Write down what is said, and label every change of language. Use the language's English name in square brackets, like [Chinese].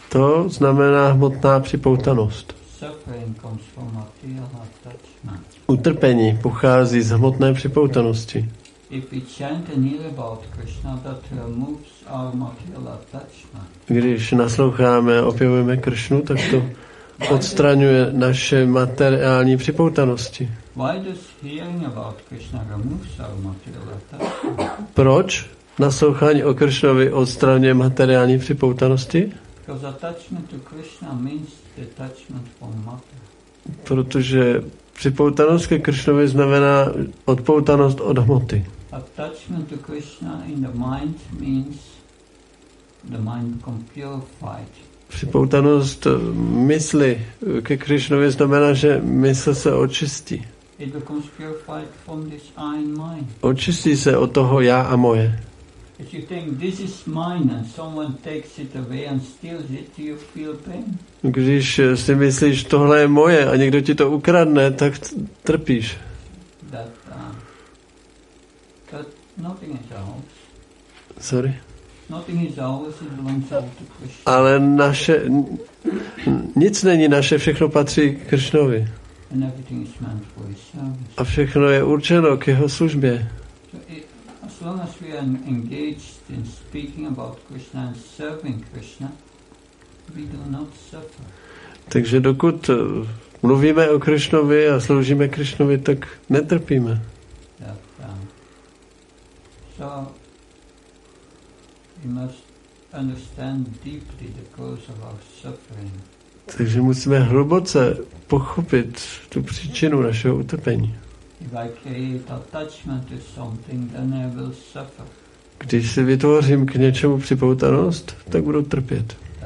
[Czech] To znamená hmotná připoutanost. [English] Suffering comes from material attachment. [Czech] Utrpení pochází z hmotné připoutanosti. [English] If we chant and hear about Krishna, that removes our material attachment. [Czech] Když nasloucháme a opěvujeme Krishnu, tak to odstraňuje naše materiální připoutanosti. [English] Why does hearing about Krishna removes our material attachment? [Czech] Proč naslouchání o Krishnovi odstraňuje materiální připoutanosti? [English] Because attachment to Krishna means detachment from matter. [Czech] Protože připoutanost ke Krishnovi znamená odpoutanost od hmoty. [English] Attachment to Krishna in the mind means the mind become purified. [Czech] Připoutanost mysli ke Krishnovi znamená, že mysl se očistí. [English] It becomes purified from this I and mine. [Czech] Očistí se od toho já a moje. [English] If you think this is mine and someone takes it away and steals it, do you feel pain? [Czech] Když si myslíš, tohle je moje a někdo ti to ukradne, tak trpíš. [English] That nothing is ours. Sorry. Nothing is ours, it belongs all to Krishna. [Czech] Ale naše nic není naše, všechno patří Krishnovi. [English] And everything is meant for his service. [Czech] A všechno je určeno k jeho službě. [English] As long as we are engaged in speaking about Krishna and serving Krishna, we do not suffer. [Czech] Takže dokud mluvíme o Krishnovi a sloužíme Krishnovi, tak netrpíme. [English] So we must understand deeply the cause of our suffering. [Czech] Takže musíme hluboce pochopit tu příčinu našeho utrpení. [English] If I create attachment to something, then I will suffer. [Czech] Když si vytvořím k něčemu připoutanost, tak budu trpět.